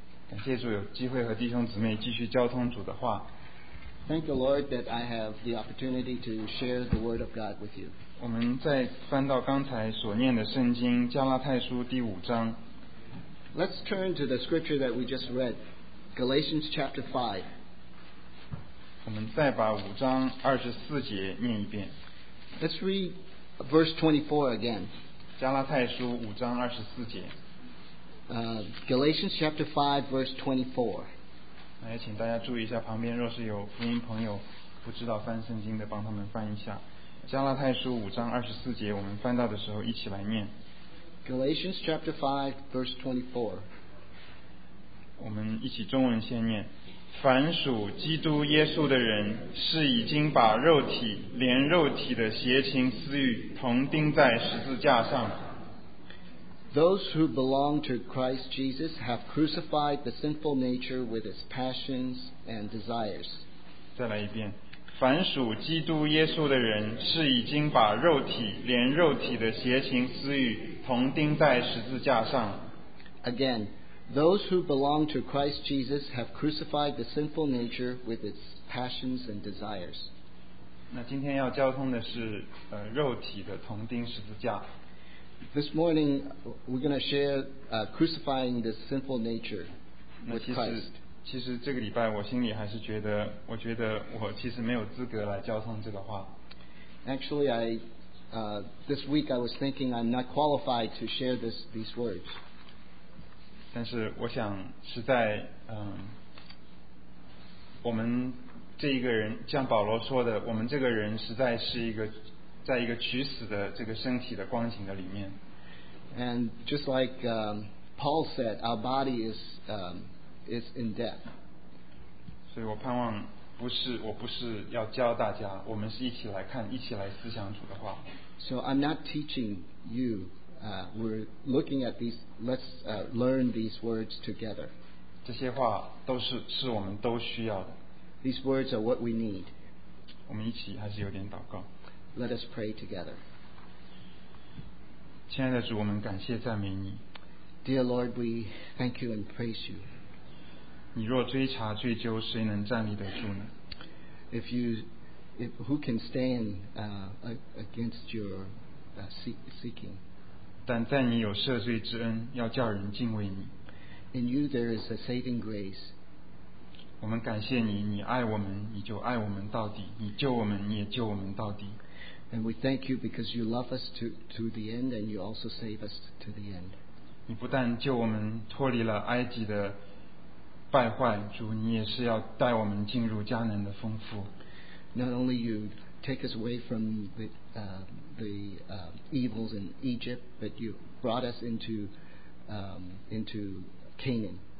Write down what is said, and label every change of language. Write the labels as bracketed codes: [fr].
[zh] 感谢主有机会和弟兄姊妹继续交通主的话。 [en] Thank the Lord that I have the opportunity to share the Word of God with you. [zh] 我们再翻到刚才所念的圣经加拉太书第五章。 [en] Let's turn to the scripture that we just read, Galatians chapter 5. [zh] 我们再把五章二十四节念一遍。 [en] Let's read verse 24 again. [zh] 加拉太书五章二十四节。 [en] Galatians chapter 5 verse 24. [zh] 来，请大家注意一下，旁边若是有福音朋友不知道翻圣经的，帮他们翻一下。加拉太书五章二十四节，我们翻到的时候一起来念。 [en] Galatians chapter 5 verse 24. [zh] 我们一起中文先念。凡属基督耶稣的人，是已经把肉体连肉体的邪情私欲同钉在十字架上。 [en] Those who belong to Christ Jesus have crucified the sinful nature with its passions and desires. [zh] 再来一遍。凡属基督耶稣的人，是已经把肉体连肉体的邪情私欲同钉在十字架上。 [en] Again. Those who belong to Christ Jesus have crucified the sinful nature with its passions and desires. [zh] 那今天要交通的是肉体的同钉十字架。 [en] This morning we're going to share crucifying the sinful nature with Christ. [zh] 其实这个礼拜我心里还是觉得我其实没有资格来交通这个话。 [en] Actually, this week I was thinking I'm not qualified to share these words. [zh] 但是我想是在我们这一个人，像保罗说的，我们这个人实在是一个在一个取死的这个身体的光景的里面。 [en] And just like Paul said, our body is in death. [zh] 所以我盼望我不是要教大家，我们是一起来看，一起来思想主的话。 [en] So I'm not teaching you. We're looking at these. Let's learn these words together. [zh] 这些话都是我们都需要的。 [en] These words are what we need. [zh] 我们一起还是有点祷告。 [en] Let us pray together. [zh] 亲爱的主，我们感谢赞美你。 [en] Dear Lord, we thank you and praise you. [zh] 你若追查追究，谁能站立得住呢？ [en] If who can stand against your seeking? [zh] 但在你有赦罪之恩，要叫人敬畏你。 [en] In you there is a saving grace. [zh] 我们感谢你，你爱我们，你就爱我们到底，你救我们，你也救我们到底。 [en] And we thank you because you love us to the end, and you also save us to the end. [zh] 你不但救我们脱离了埃及的败坏，主，你也是要带我们进入迦南的丰富。 [en] Not only you take us away from the evils in Egypt, but you brought us into Canaan.